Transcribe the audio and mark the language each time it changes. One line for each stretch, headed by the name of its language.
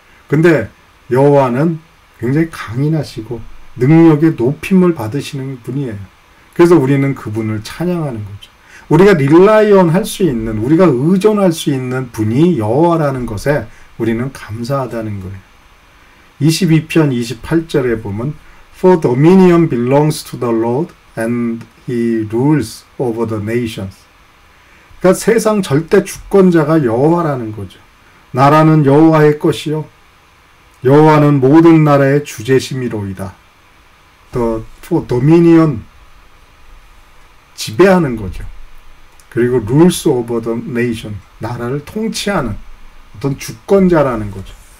Korean: 근데 여호와는 굉장히 강인하시고 능력의 높임을 받으시는 분이에요. 그래서 우리는 그분을 찬양하는 거죠. 우리가 릴라이언 할 수 있는 우리가 의존할 수 있는 분이 여호와라는 것에 우리는 감사하다는 거예요.
English: 22편 28절에 보면 For dominion belongs to the Lord and he rules over the nations.
Korean: 그러니까 세상 절대 주권자가 여호와라는 거죠. 나라는 여호와의 것이요. 여호와는 모든 나라의 주재심이로이다.
English: For dominion
Korean: 지배하는 거죠. 그리고
English: rules over the nation
Korean: 나라를 통치하는 어떤 주권자라는 거죠.